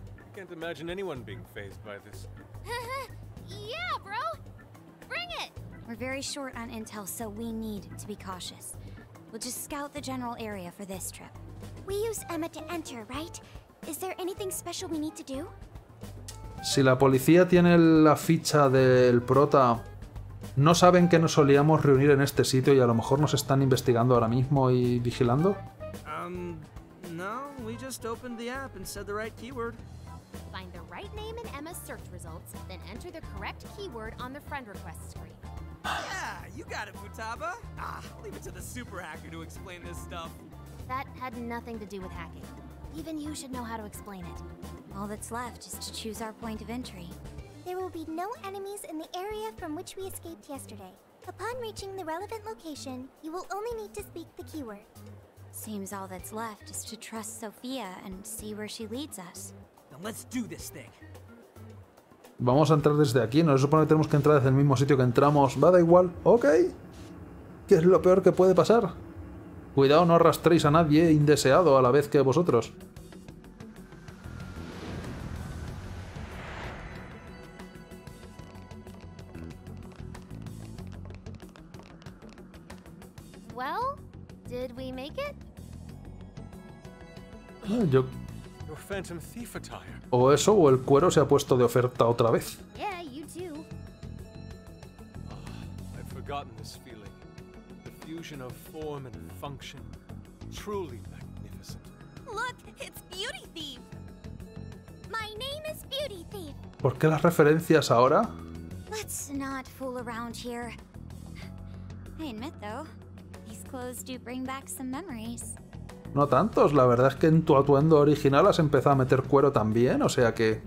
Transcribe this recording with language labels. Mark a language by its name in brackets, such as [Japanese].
[English] I can't imagine anyone being fazed by this. Yeah, bro. Bring it. We're very short on intel, so we need to be cautious. We'll just scout the general area for this trip. We use Emma to enter, right? Is there anything special we need to do? [Spanish] Si la policía tiene la ficha del prota, ¿no saben que nos solíamos reunir en este sitio y a lo mejor nos están investigando ahora mismo y vigilando? [English] No, we just opened the app and said the right keyword. Find the right name in Emma's search results, then enter the correct keyword on the friend request screen. Yeah, you got it, Futaba. Ah, leave it to the super hacker to explain this stuff. That had nothing to do with hacking. Even you should know how to explain it. All that's left is to choose our point of entry. There will be no enemies in the area from which we escaped yesterday. Upon reaching the relevant location, you will only need to speak the keyword. Seems all that's left is to trust Sophia and see where she leads us. Then let's do this thing. [Spanish] Vamos a entrar desde aquí, ¿no? Se supone que tenemos que entrar desde el mismo sitio que entramos. Va, da igual. Ok. ¿Qué es lo peor que puede pasar? Cuidado, no arrastréis a nadie indeseado a la vez que vosotros. [English] Well, did we make it? Yo. Your Phantom Thief attire. [Spanish] O eso, o el cuero se ha puesto de oferta otra vez. [English] Yeah, you too. Oh, I've forgotten this feeling. The fusion of form and function. Truly magnificent. Look, it's Beauty Thief. My name is Beauty Thief. [Spanish] ¿Por qué las referencias ahora? [English] Let's not fool around here. I admit, though, these clothes do bring back some memories. [Spanish] No tantos, la verdad es que en tu atuendo original has empezado a meter cuero también, o sea que...